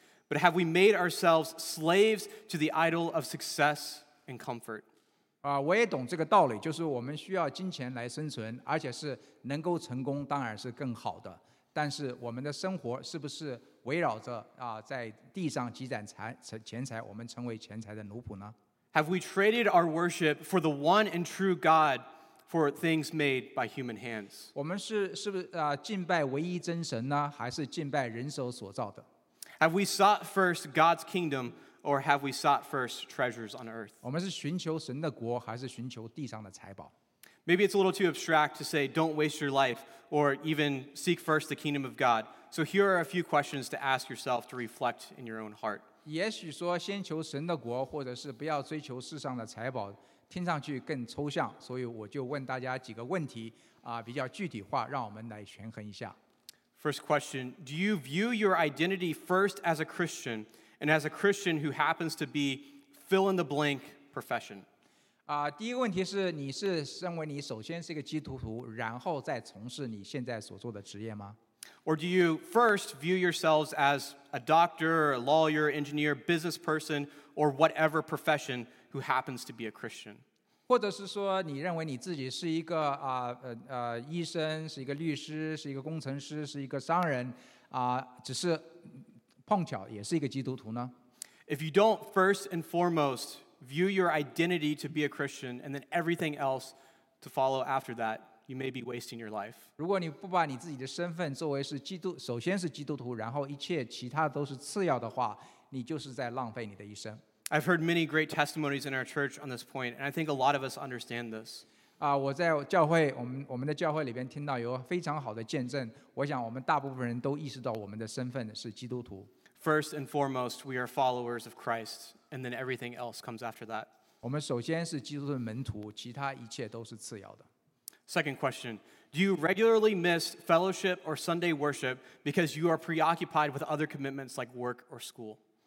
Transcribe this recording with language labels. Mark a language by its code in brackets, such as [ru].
[en] But have we made ourselves slaves to the idol of success and comfort? [zh] 我也懂这个道理，就是我们需要金钱来生存，而且是能够成功，当然是更好的。但是我们的生活是不是围绕着在地上积攒钱财，我们成为钱财的奴仆呢？ [en] Have we traded our worship for the one and true God for things made by human hands? [zh] 我们是不是敬拜唯一真神呢，还是敬拜人手所造的？ [en] Have we sought first God's kingdom, or have we sought first treasures on earth? [zh] 我们是寻求神的国，还是寻求地上的财宝？ [en] Maybe it's a little too abstract to say, don't waste your life, or even seek first the kingdom of God. So here are a few questions to ask yourself to reflect in your own heart. [zh] 也许说先求神的国, 或者是不要追求世上的财宝, 听上去更抽象, 所以我就问大家几个问题, 比较具体化, 让我们来权衡一下。 [en] First question, do you view your identity first as a Christian and as a Christian who happens to be fill-in-the-blank profession? [zh] 第一个问题是你是身为你首先是一个基督徒, 然后再从事你现在所做的职业吗? [en] Or do you first view yourselves as a doctor, or a lawyer, engineer, business person, or whatever profession who happens to be a Christian? [zh] 或者是说你认为你自己是一个, 医生, 是一个律师, 是一个工程师, 是一个商人, 只是碰巧也是一个基督徒呢? [en] If you don't first and foremost view your identity to be a Christian and then everything else to follow after that, you may be wasting your life. [zh] 如果你不把你自己的身份作为是基督, 首先是基督徒, 然后一切其他都是次要的话, 你就是在浪费你的一生。 [en] I've heard many great testimonies in our church on this point, and I think a lot of us understand this. [zh] 我在教会,我们的教会里面听到有非常好的见证, 我想我们大部分人都意识到我们的身份是基督徒。 [en] First and foremost, we are followers of Christ, and then everything else comes after that. [zh] 我们首先是基督的门徒, 其他一切都是次要的。 [en] Second question, do you regularly miss fellowship or Sunday worship because you are preoccupied with other commitments like work or school?